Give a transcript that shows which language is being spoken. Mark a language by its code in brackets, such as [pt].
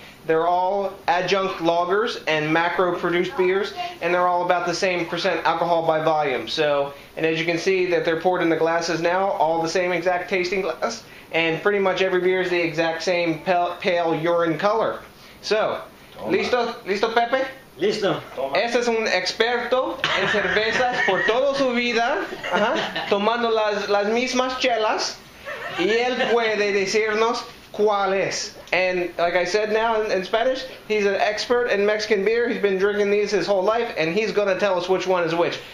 [en] They're all adjunct lagers and macro-produced beers, and they're all about the same percent alcohol by volume. So, and as you can see that they're poured in the glasses now, all the same exact tasting glass, and pretty much every beer is the exact same pale urine color. [es] So, listo, listo, Pepe? Listo. Este es un experto en cervezas por toda su vida, tomando las mismas chelas, y él puede decirnos cuál es. [en] And like I said now in Spanish, he's an expert in Mexican beer. He's been drinking these his whole life, and he's going to tell us which one is which.